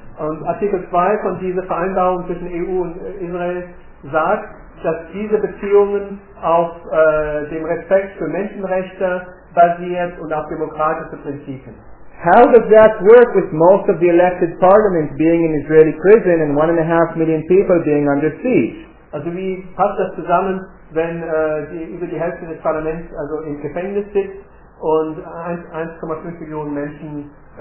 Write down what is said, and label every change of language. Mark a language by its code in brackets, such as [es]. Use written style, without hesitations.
[de] Und Artikel 2 von dieser Vereinbarung zwischen EU und Israel sagt, dass diese Beziehungen auf dem Respekt für Menschenrechte basiert und auf demokratische Prinzipien. [en] How does that work with most of the elected parliament being in Israeli prison and 1.5 million people being under siege? [de] Also wie passt das zusammen, wenn über die Hälfte des Parlaments also im Gefängnis sitzt und 1,5 Millionen Menschen